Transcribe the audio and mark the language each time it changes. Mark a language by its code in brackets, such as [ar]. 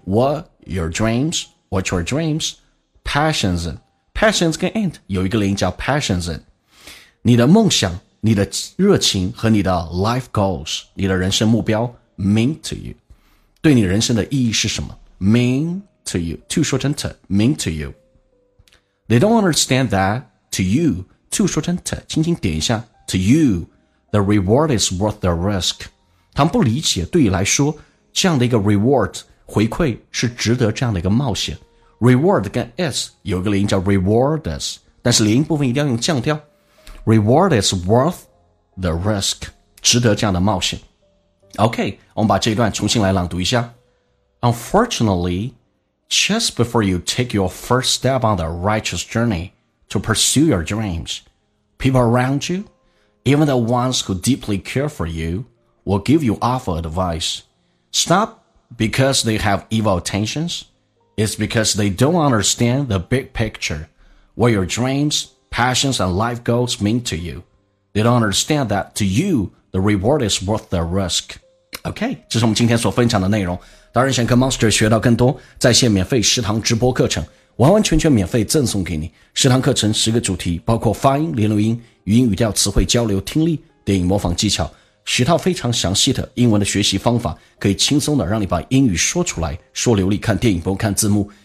[en] what's your dreams passions in， [zh] passions 跟 and 有一个连音叫 passions in， 你的梦想，你的热情和你的 [en] life goals， [zh] 你的人生目标 [en] mean to you， [zh] 对你人生的意义是什么 mean to you， to 说成 to， mean to you。 [en] They don't understand that to you, to [zh] 说成 [en] to， [zh] 轻轻点一下 [en] to you, the reward is worth the risk。 [zh] 他们不理解对你来说这样的一个 reward 回馈是值得这样的一个冒险。 reward 跟 is 有一个连音叫 rewarders， 但是连音部分一定要用降调。 [en] reward is worth the risk， [zh] 值得这样的冒险。 OK， 我们把这一段重新来朗读一下。 [en] UnfortunatelyJust before you take your first step on the righteous journey to pursue your dreams, people around you, even the ones who deeply care for you, will give you awful advice. Stop because they have evil intentions. It's because they don't understand the big picture, what your dreams, passions, and life goals mean to you. They don't understand that to you, the reward is worth the risk. [zh] Okay, 这是我们今天所分享的内容。当然想跟 Monster 学到更多在线免费食堂直播课程，完完全全免费赠送给你。食堂课程十个主题，包括发音、连读音、语音语调、词汇交流、听力、电影模仿技巧，十套非常详细的英文的学习方法，可以轻松的让你把英语说出来，说流利，看电影不用看字幕。